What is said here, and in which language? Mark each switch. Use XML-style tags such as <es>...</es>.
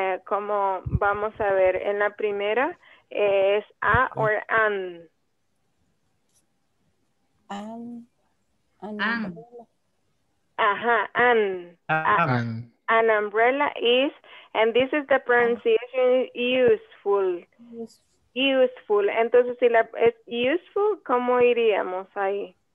<es>Como vamos a ver en la primera, es a or an.</es> <en>An umbrella is, and this is the pronunciation, useful.</en> <es>Entonces, si la es useful, ¿cómo iríamos ahí?</es>